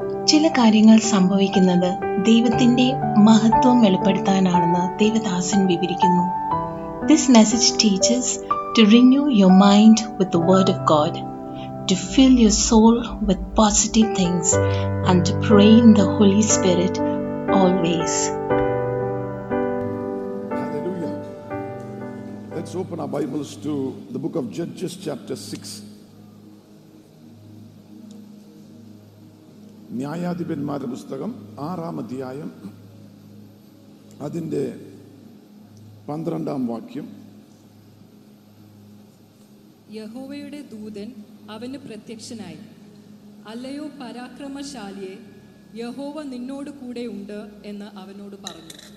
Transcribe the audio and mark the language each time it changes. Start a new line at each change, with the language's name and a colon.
Malayalam: ചില കാര്യങ്ങൾ സംഭവിക്കുന്നത് ദൈവത്തിന്റെ മഹത്വം വെളിപ്പെടുത്താനാണെന്ന് ദേവദാസൻ വിവരിക്കുന്നു.
English: This message teachers to renew your mind with the word of God, to fill your soul with positive things and to pray in the Holy Spirit always. Let's open our Bibles to the book of Judges, chapter 6.
Malayalam: ന്യായാധിപന്മാരുടെ പുസ്തകം 6-ാം അധ്യായം, അതിൻ്റെ 12-ാം വാക്യം. യഹോവയുടെ ദൂതൻ അവന് പ്രത്യക്ഷനായി, അല്ലയോ പരാക്രമശാലിയെ, യഹോവ നിന്നോട് കൂടെ ഉണ്ട് എന്ന് അവനോട് പറഞ്ഞു.